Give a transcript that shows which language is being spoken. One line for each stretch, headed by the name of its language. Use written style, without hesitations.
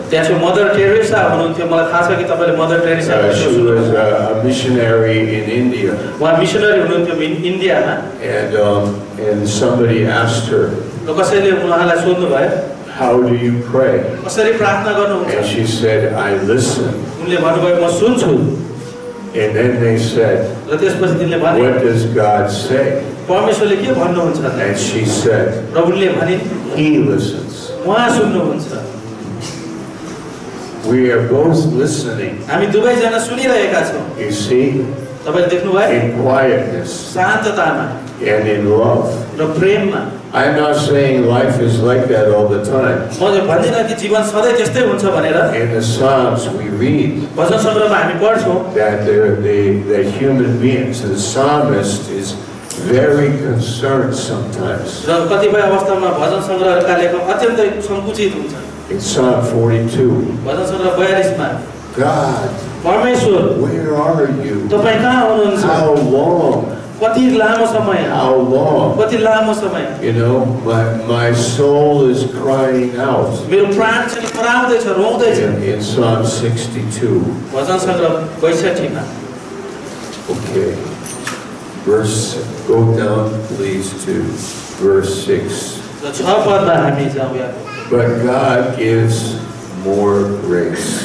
Nepali: त्यसो mother Teresa हुनुहुन्थ्यो मलाई थाहा छ कि तपाईले मदर टेरेसा भन्नुहुन्छ
English: she was a missionary in India
Nepali: वहा मिशनरी हुनुहुन्थ्यो इन्डियामा
English: and somebody asked her
Nepali: कसैले उहाँलाई सोध्नु भयो
English: how do you pray
Nepali: कसरी प्रार्थना गर्नुहुन्छ
English: and she said I listen
Nepali: उनले भन्नुभयो म सुन्छु
English: and then they said
Nepali: त्यसपछि तिनीले भने
English: what does God say
Nepali: परमेश्वरले के भन्नुहुन्छ
English: and she said
Nepali: प्रभुले भने
English: he listens
Nepali: उहाँ सुन्नुहुन्छ
English: we are both listening
Nepali: हामी दुवै जना सुनिरहेका छौं
English: you see
Nepali: तपाईले देख्नु भयो
English: in quietness
Nepali: शान्ततामा
English: and in love
Nepali: र प्रेममा
English: I'm not saying life is like that all the time.
Nepali: मैले भन्दिन कि जीवन सधैं त्यस्तै हुन्छ भनेर.
English: In the Psalms we read.
Nepali: वचन संग्रहमा हामी पढ्छौं.
English: That the human beings, the psalmist is very concerned sometimes.
Nepali: र कतिपय अवस्थामा भजन संग्रहका लेखक अत्यन्तै संकुचित हुन्छ.
English: In Psalm 42.
Nepali: वचन संग्रह 42 मा.
English: God.
Nepali: परमेश्वर.
English: Where are you?
Nepali: तपाईं कहाँ हुनुहुन्छ?
English: How long?
Nepali: कति लामो समय
English: how long
Nepali: कति लामो समय
English: you know my soul is crying out
Nepali: मेरो प्राण चाहिँ कराउँदै छ रोउँदै छ
English: in Psalm 62
Nepali: वचन संग्रह 62 मा
English: okay verse go down please to verse 6
Nepali: छ पदमा हामी जाउँ
English: यार but God gives more grace